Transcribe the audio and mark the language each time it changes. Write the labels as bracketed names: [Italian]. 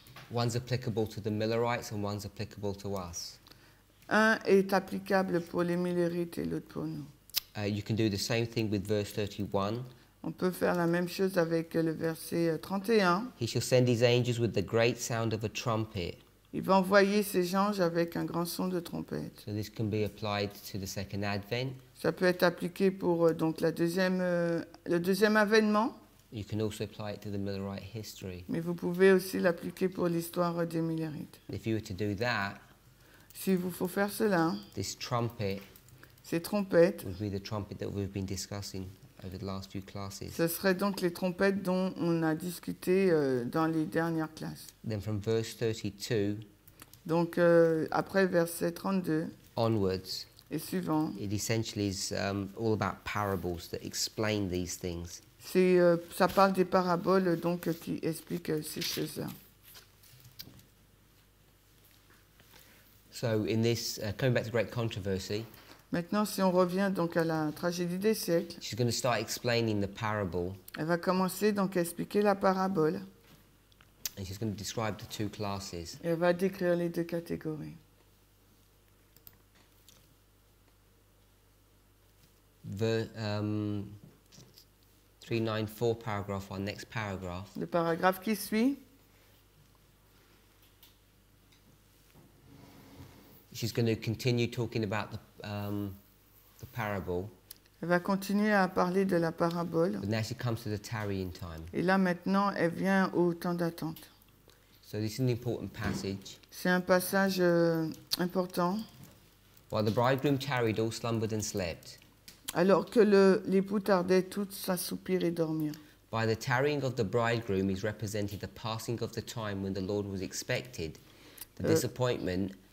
[English] One's applicable to the Millerites and one's applicable to us. [French] Un est applicable pour les Millerites et l'autre pour nous. [English] You can do the same thing with verse 31. [French] On peut faire la même chose avec le verset 31. [English] He shall send his angels with the great sound of a trumpet. [French] Il va envoyer ses anges avec un grand son de trompette. [English] So this can be applied to the second advent. [French] Ça peut être appliqué pour donc la deuxième le deuxième avènement. [English] You can also apply it to the Millerite history. [French] Mais vous pouvez aussi l'appliquer pour l'histoire des Millerites. [English] If you were to do that, [French] si vous faut faire cela, [English] this trumpet. [French] Ces trompettes. [English] Would be the trumpet that we've been discussing over the last few classes. [French] Ce serait donc les trompettes dont on a discuté dans les dernières classes. [English] Then from verse 32. [French] Donc après verset 32. [English] Onwards. [French] Et suivant. [English] It essentially is all about parables that explain these things. [French] C'est ça parle des paraboles donc qui expliquent ces choses-là. [English] So in this coming back to great controversy. [French] Maintenant, si on revient donc à la tragédie des siècles, [English] she's going to start explaining the parable. [French] Elle va commencer donc à expliquer la parabole. [English] And she's going to describe the two classes. [French] Et elle va décrire les deux catégories. [English] The 394 paragraph, our next paragraph. [French] Le paragraphe qui suit. [English] She's going to continue talking about the parable. [French] Elle va continuer à parler de la parabole. [English] But now she comes to the tarrying time. [French] Et là maintenant, elle vient au temps d'attente. [English] So this is an important passage. [French] C'est un passage important. [English] While the bridegroom tarried, all slumbered and slept. [French] Alors que l'époux tardait, tout s'assoupir et dormir. [English] By the tarrying of the bridegroom is represented the passing of the time when the Lord was expected, the disappointment.